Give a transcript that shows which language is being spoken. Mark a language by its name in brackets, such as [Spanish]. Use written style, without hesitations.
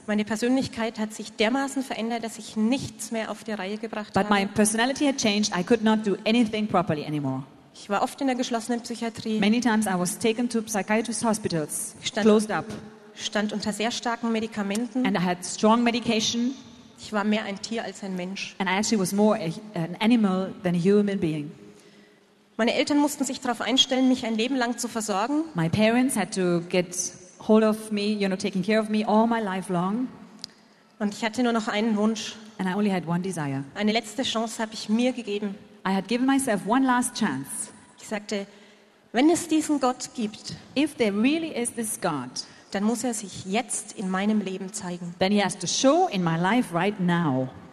[German] Meine Persönlichkeit hat sich dermaßen verändert, dass ich nichts mehr auf die Reihe gebracht [English] But [German] habe. [English] But my personality had changed. I could not do anything properly anymore. [German] Ich war oft in der geschlossenen Psychiatrie. [English] Many times I was taken to psychiatrist hospitals. [German] Stand unter sehr starken Medikamenten. [English] And I had strong medication. [German] Ich war mehr ein Tier als ein Mensch. [English] And I actually was more an animal than a human being. [German] Meine Eltern mussten sich darauf einstellen, mich ein Leben lang zu versorgen. [English] My parents had to get hold of me, you know, taking care of me all my life long. [German] Und ich hatte nur noch einen Wunsch. [English] And I only had one desire. [German] Eine letzte Chance habe ich mir gegeben. [English] I had given myself one last chance. [German] Ich sagte, wenn es diesen Gott gibt, [English] if there really is this God, [German] dann muss er sich jetzt in meinem Leben zeigen. [English] Then he has to show in my life right now.